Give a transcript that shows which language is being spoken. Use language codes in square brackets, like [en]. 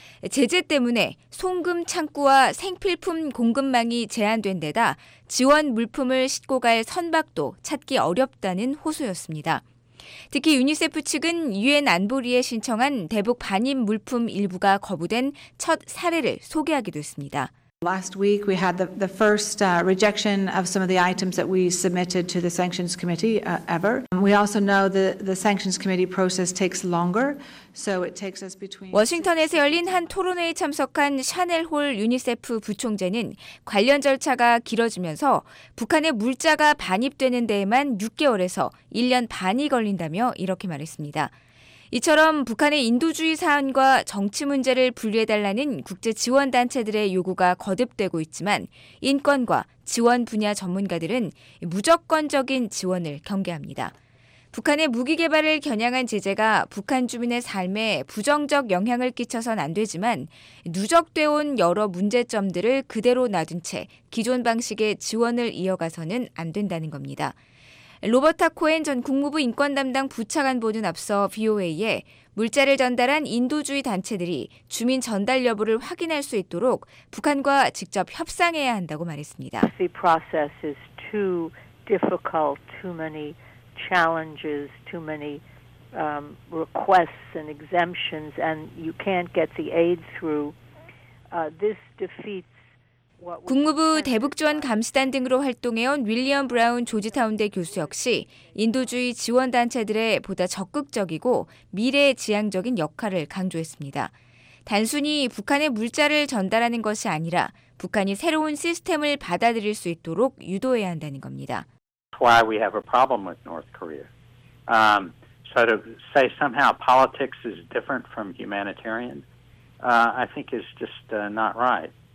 [ko] 제재 때문에 송금 창구와 생필품 공급망이 제한된 데다 지원 물품을 싣고 갈 선박도 찾기 어렵다는 호소였습니다. 특히 유니세프 측은 유엔 안보리에 신청한 대북 반입 물품 일부가 거부된 첫 사례를 소개하기도 했습니다. [en] Last week we had the first rejection of some of the items that we submitted to the sanctions committee ever. We also know the sanctions committee process takes longer, so it takes us between. [ko] 워싱턴에서 열린 한 토론회에 참석한 샤넬 홀 유니세프 부총재는 관련 절차가 길어지면서 북한의 물자가 반입되는 데에만 6개월에서 1년 반이 걸린다며 이렇게 말했습니다. 이처럼 북한의 인도주의 사안과 정치 문제를 분리해달라는 국제 지원 단체들의 요구가 거듭되고 있지만 인권과 지원 분야 전문가들은 무조건적인 지원을 경계합니다. 북한의 무기 개발을 겨냥한 제재가 북한 주민의 삶에 부정적 영향을 끼쳐선 안 되지만 누적되어 온 여러 문제점들을 그대로 놔둔 채 기존 방식의 지원을 이어가서는 안 된다는 겁니다. 로버타 코엔 전 국무부 인권담당 부차관보는 앞서 VOA에 물자를 전달한 인도주의 단체들이 주민 전달 여부를 확인할 수 있도록 북한과 직접 협상해야 한다고 말했습니다. [en] The process is too difficult, too many challenges, too many requests and exemptions, and you can't get the aid through. This defeats. [ko] 국무부 대북지원 감시단 등으로 활동해온 윌리엄 브라운 조지타운대 교수 역시 인도주의 지원단체들의 보다 적극적이고 미래지향적인 역할을 강조했습니다. 단순히 북한에 물자를 전달하는 것이 아니라 북한이 새로운 시스템을 받아들일 수 있도록 유도해야 한다는 겁니다. [en] Why we have a problem with North Korea. So to say somehow politics is different from humanitarian, I think is just not right.